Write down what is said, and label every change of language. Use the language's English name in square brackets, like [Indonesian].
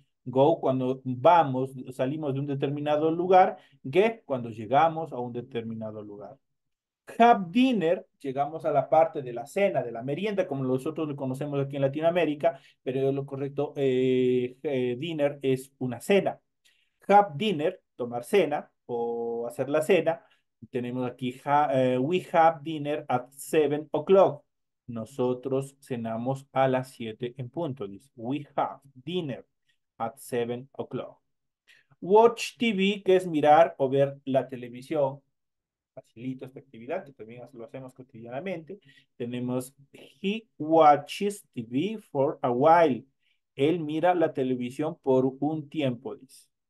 [Spanish] Go cuando vamos, salimos de un determinado lugar. Get cuando llegamos a un determinado lugar. [English] Have dinner, [Spanish] llegamos a la parte de la cena, de la merienda, como nosotros lo conocemos aquí en Latinoamérica, pero lo correcto, dinner es una cena. [English] Have dinner, [Spanish] tomar cena o hacer la cena. Tenemos aquí, [English] we have dinner at 7 o'clock. [Spanish] Nosotros cenamos a las 7 en punto. Dice, [English] we have dinner at 7 o'clock. Watch TV, [Spanish] que es mirar o ver la televisión. Facilito esta actividad, que también lo hacemos cotidianamente. Tenemos, [English] he watches TV for a while. [Spanish] Él mira la televisión por un tiempo, dice.